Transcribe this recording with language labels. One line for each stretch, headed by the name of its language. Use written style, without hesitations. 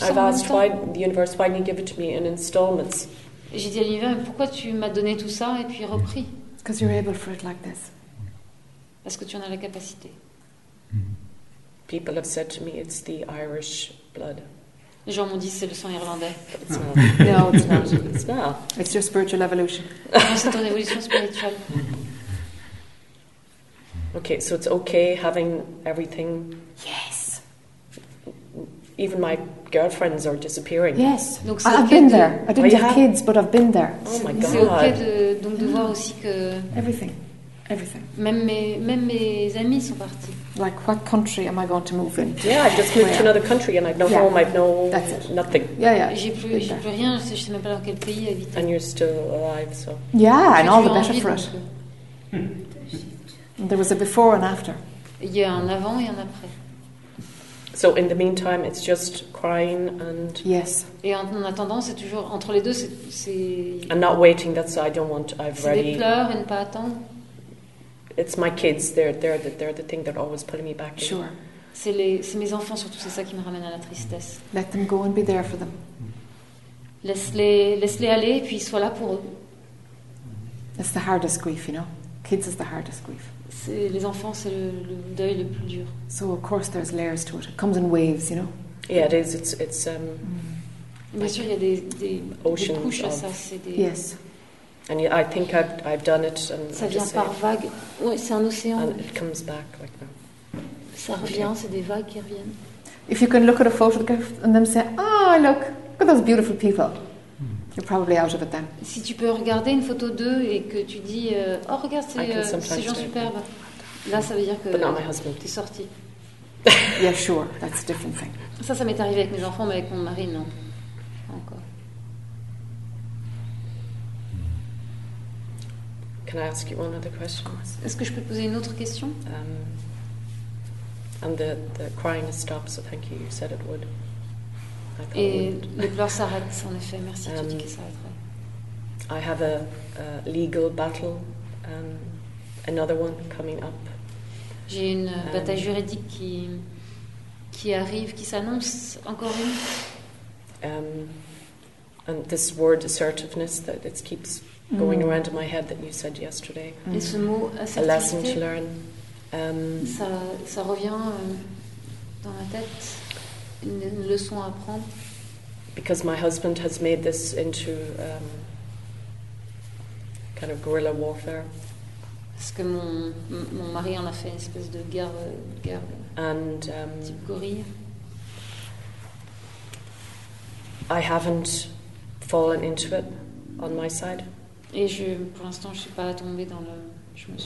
English: I've asked why the universe, why didn't you give it to me in installments?
French: J'ai dit à l'univers, pourquoi tu m'as donné tout ça et puis repris?
English: Because you're able for it like this.
French: Parce que tu en as la capacité.
English: People have said to me, it's the Irish blood.
French: Les gens m'ont dit, c'est le sang irlandais.
English: It's not. No, it's not. It's not. It's your spiritual evolution.
French: Non, c'est ton évolution spirituelle.
English: Okay, so it's okay having everything. Yes. Even my girlfriends are disappearing. Yes.
French: Donc c'est
English: I've been there. I didn't have kids, but I've been there. Oh my God.
French: C'est okay de donc de voir aussi que
English: everything, everything.
French: Même mes amis sont partis.
English: Like what country am I going to move in? Yeah, I've just moved to another country and I've no home. I've no nothing. Yeah, yeah.
French: J'ai plus rien. Je sais même pas dans quel pays habiter.
English: And you're still alive, so. Yeah, and all the better for it. There was a before and after.
French: Il y a un avant et un après.
English: So in the meantime, it's just crying and yes.
French: Et en attendant, c'est toujours entre les deux, c'est.
English: And not waiting. That's I don't want. I've
French: c'est
English: already.
French: C'est des pleurs et ne pas attendre.
English: It's my kids. They're the thing that always pulling me back. Sure.
French: C'est mes enfants surtout. C'est ça qui me ramène à la tristesse.
English: Let them go and be there for them.
French: Laisse-les aller et puis sois là pour eux.
English: It's the hardest grief, you know. Kids is the hardest grief.
French: Les enfants, c'est le deuil le plus dur.
English: So of course there's layers to it. It comes in waves, you know. Yeah, it is. It's
French: bien sûr, il y a des couches à ça. C'est des.
English: Yes. And yeah, I think I've done it. And
French: ça vient par vagues. Oui, c'est un océan.
English: And it comes back like that.
French: Ça revient. Okay. C'est des vagues qui reviennent.
English: If you can look at a photograph and then say, ah, look at those beautiful people. You're probably out of it then.
French: Si tu peux regarder une photo d'eux et que tu dis oh regarde ces gens superbes, là ça veut dire que t'es sorti.
English: Yeah, sure, that's a different thing.
French: Ça m'est arrivé avec mes enfants, mais avec mon mari non. Encore.
English: Can I ask you one other question?
French: Est-ce que je peux te poser une autre question?
English: And the crying has stopped, so thank you. You said it would.
French: Et les pleurs s'arrêtent, en effet. Merci, tu dis que ça s'arrêterait.
English: I have a legal battle, another one coming up.
French: J'ai une bataille juridique qui arrive, qui s'annonce encore une.
English: And this word assertiveness that it keeps going around in my head that you said yesterday.
French: Mm. Et ce mot assertivité.
English: A lesson to learn.
French: Ça revient dans ma tête. Une leçon à apprendre.
English: Because my husband has made this into kind of guerrilla warfare.
French: Parce que mon mari en a fait une espèce de guerre.
English: And
French: type gorille.
English: I haven't fallen into it on my side.
French: Et pour l'instant, je suis pas tombée dans le.